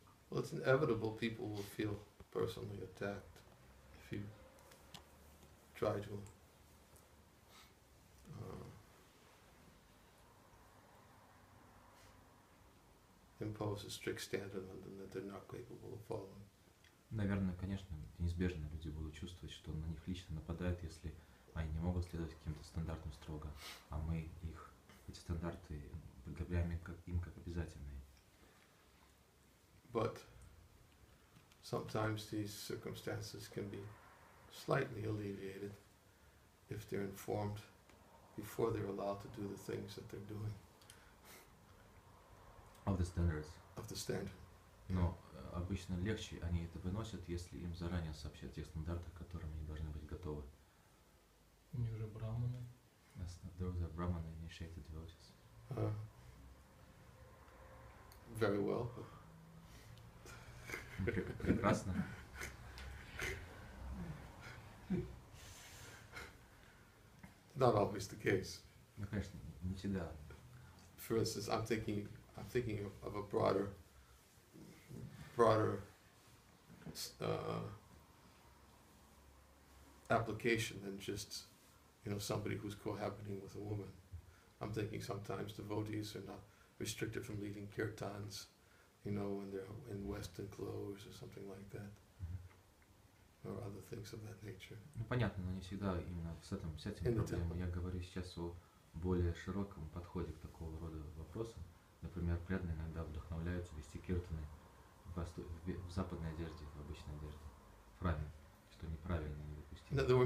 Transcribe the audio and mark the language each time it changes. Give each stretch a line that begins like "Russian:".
English: Well, it's inevitable people will feel personally attacked if you try to impose a strict standard on them that they're not capable of following.
Russian: Наверное, конечно, неизбежно люди будут чувствовать, что на них лично нападают, если они не могут следовать каким-то стандартам строго, а мы их, эти стандарты, предъявляем им как обязательные.
English: But sometimes these circumstances can be slightly alleviated if they're informed before they're allowed to do the things that they're doing. Of the standards. Of the standard.
Russian: Но обычно легче они это выносят, если им заранее сообщат о тех стандартах, к которым они должны быть готовы. Они уже брахманы.
English: Yes, those are brahmana initiated devotees. Very well.
Russian: Прекрасно.
English: Not always the case.
Russian: Ну, конечно, не всегда.
English: For instance, I'm thinking of a broader application than just, you know, somebody who's cohabiting with a woman. I'm thinking sometimes devotees are not restricted from leading kirtans, you know, when they're in Western clothes or something like that, or other things of that nature.
Russian: Ну понятно, но не всегда именно с этим проблемой. Я говорю сейчас о более широком подходе к такого рода вопросам. Например, преданные иногда вдохновляются вести киртаны в западной одежде, в обычной одежде, в храме, что неправильно, недопустимо.